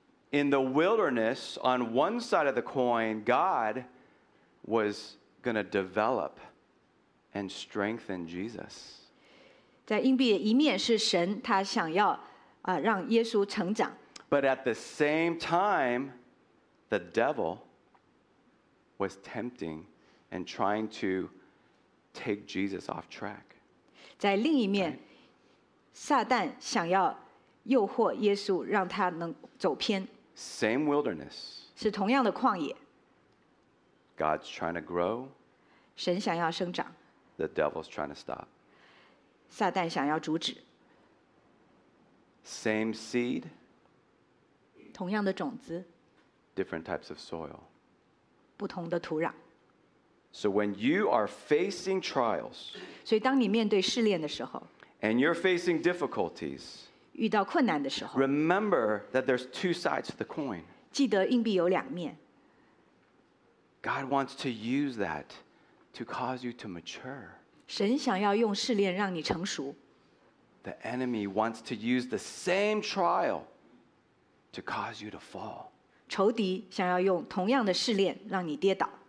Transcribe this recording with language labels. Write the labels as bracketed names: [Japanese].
[English] In the wilderness, on one side of the coin, God was going to develop and strengthen Jesus. [Chinese] 在硬币的一面是神，他想要让耶稣成长。 [English] But at the same time, the devil was tempting and trying to take Jesus off track. [Chinese] 在另一面，撒旦想要诱惑耶稣，让他能走偏。 [English] Same wilderness. [Chinese] 是同样的旷野。 [English] God's trying to grow. [Chinese] 神想要生长。 [English] The devil's trying to stop. [Chinese] 撒旦想要阻止。 [English] Same seed. [Chinese] 同样的种子。 [English] Different types of soil. [Chinese] 不同的土壤。 [English] So when you are facing trials, [Chinese] 所以当你面对试炼的时候， [English] and you're facing difficulties, [Chinese] 遇到困难的时候, [English] remember that there's two sides to the coin. [Chinese] 记得硬币有两面。 [English] God wants to use that to cause you to mature. [Chinese] 神想要用试炼让你成熟。 [English] The enemy wants to use the same trial to cause you to fall. [Chinese] 仇敌想要用同样的试炼让你跌倒。